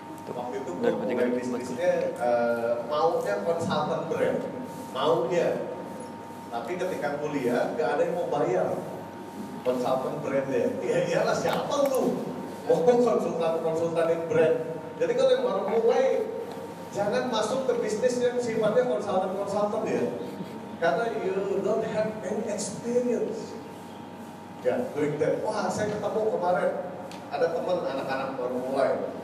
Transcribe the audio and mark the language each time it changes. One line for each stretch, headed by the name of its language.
Indonesian: Waktu itu gue mulai bisnisnya maunya consultant brand. Maunya. Tapi ketika kuliah gak ada yang mau bayar consultant brand ya. Ya iyalah siapa lu? Mau konsultan-konsultanin brand. Jadi kalau yang baru mulai, jangan masuk ke bisnis yang sifatnya konsultan-konsultan ya. Karena
English: you don't have any experience. Ya, doing that.
Indonesian: Wah, saya ketemu kemarin ada teman anak-anak baru mulai.